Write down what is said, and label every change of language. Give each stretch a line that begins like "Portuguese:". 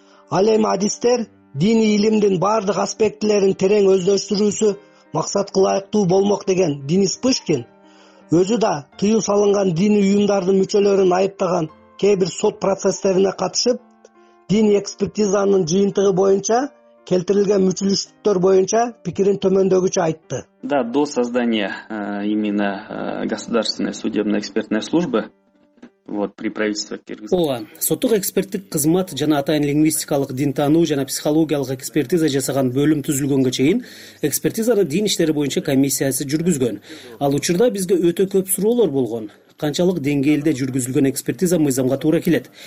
Kyrgyz: Ал эми адистер диний илимдин бардык аспектилерин терең өздөштүрүүсү максат кылайыктуу болмок деген Денис Пышкин өзү да тыюу салынган диний уюмдардын мүчөлөрүн айыптаган кээ бир сот процесстерине катышып, дин экспертизанын жыйынтыгы боюнча келтирилген мүчүлүштүктөр боюнча пикирин төмөндөгүчө айтты.
Russian: Да, до создания именно государственной судебной экспертной службы при правительстве Кыргызстана.
Kyrgyz: Ооба, соттук эксперттик кызмат жана атайын лингвистикалык дин таануу жана психологиялык экспертиза жасаган бөлүм түзүлгөнгө чейин экспертизаны дин иштери боюнча комиссиясы жүргүзгөн. Ал учурда бизге өтө көп суроолор болгон. Канчалык деңгээлде жүргүзүлгөн экспертиза мыйзамга туура келет?